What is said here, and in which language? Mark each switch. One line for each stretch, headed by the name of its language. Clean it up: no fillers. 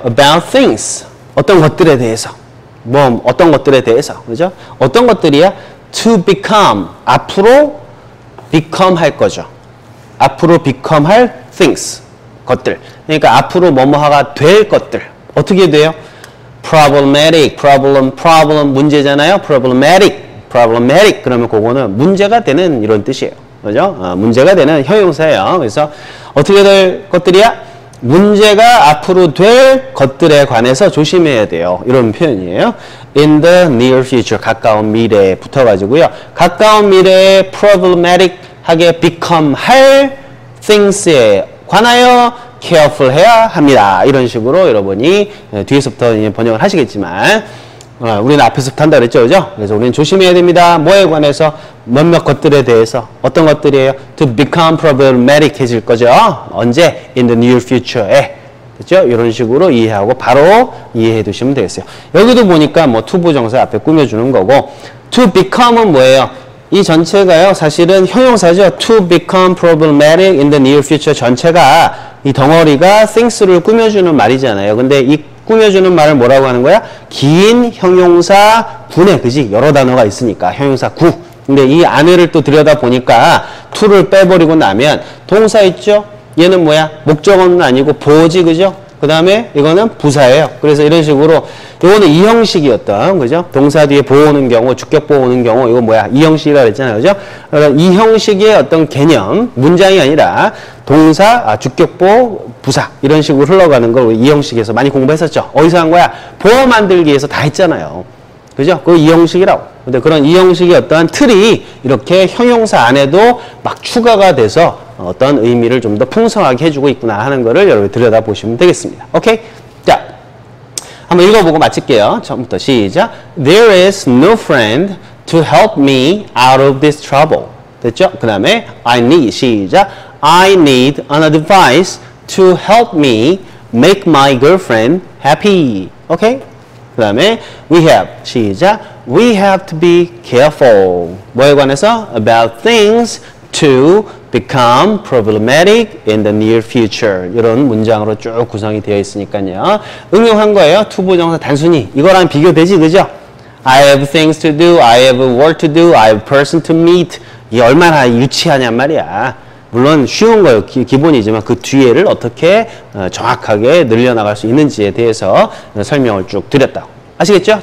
English: About things.
Korean: 어떤 것들에 대해서. 뭐, 어떤 것들에 대해서. 그죠? 어떤 것들이야?
English: To become.
Korean: 앞으로 become 할 거죠. 앞으로 become 할 things. 것들. 그러니까 앞으로 뭐뭐하가 될 것들. 어떻게 돼요? problematic, problem, 문제잖아요. problematic. 그러면 그거는 문제가 되는 이런 뜻이에요. 그죠? 문제가 되는 형용사예요. 그래서 어떻게 될 것들이야? 문제가 앞으로 될 것들에 관해서 조심해야 돼요. 이런 표현이에요.
English: in the near future,
Korean: 가까운 미래에 붙어가지고요. 가까운 미래에 problematic 하게 become 할 things에 관하여 careful 해야 합니다. 이런 식으로 여러분이 뒤에서부터 번역을 하시겠지만 우리는 앞에서부터 한다 그랬죠. 그죠? 그래서 우리는 조심해야 됩니다. 뭐에 관해서 몇몇 것들에 대해서 어떤 것들이에요?
English: To become problematic
Korean: 해질 거죠. 언제?
English: In the near future
Korean: 에. 됐죠? 이런 식으로 이해하고 바로 이해해 두시면 되겠어요. 여기도 보니까 뭐 to 부정사 앞에 꾸며주는 거고 to become은 뭐예요? 이 전체가요. 사실은 형용사죠.
English: To become problematic in the near future
Korean: 전체가 이 덩어리가 things를 꾸며주는 말이잖아요. 근데 이 꾸며주는 말을 뭐라고 하는 거야? 긴 형용사 군에, 그지? 여러 단어가 있으니까 형용사 구. 근데 이 안을 또 들여다보니까 to를 빼버리고 나면 동사 있죠? 얘는 뭐야? 목적어는 아니고 보호지, 그죠? 그 다음에 이거는 부사예요. 그래서 이런 식으로 이거는 이 형식이었던 그죠? 동사 뒤에 보호는 경우, 주격 보호는 경우, 이거 뭐야? 이 형식이라고 했잖아요. 그죠? 그러니까 이 형식의 어떤 개념, 문장이 아니라 동사, 주격 보호, 부사 이런 식으로 흘러가는 걸 이 형식에서 많이 공부했었죠. 어디서 한 거야? 보호 만들기에서 다 했잖아요. 그죠? 그 이 형식이라고. 근데 그런 이 형식의 어떤 틀이 이렇게 형용사 안에도 막 추가가 돼서 어떤 의미를 좀 더 풍성하게 해주고 있구나 하는 거를 여러분 들여다보시면 되겠습니다. 오케이? 자, 한번 읽어보고 마칠게요. 처음부터 시작.
English: There is no friend to help me out of this trouble.
Korean: 됐죠? 그 다음에 I need, 시작.
English: I need an advice to help me make my girlfriend happy.
Korean: 오케이? 그 다음에 we have, 시작.
English: We have to be careful.
Korean: 뭐에 관해서?
English: About things to become problematic in the near future.
Korean: 이런 문장으로 쭉 구성이 되어 있으니까요. 응용한 거예요. 투부정사 단순히. 이거랑 비교되지, 그죠?
English: I have things to do. I have work to do. I have person to meet.
Korean: 이게 얼마나 유치하냔 말이야. 물론 쉬운 거예요. 기본이지만 그 뒤에를 어떻게 정확하게 늘려나갈 수 있는지에 대해서 설명을 쭉 드렸다. 아시겠죠?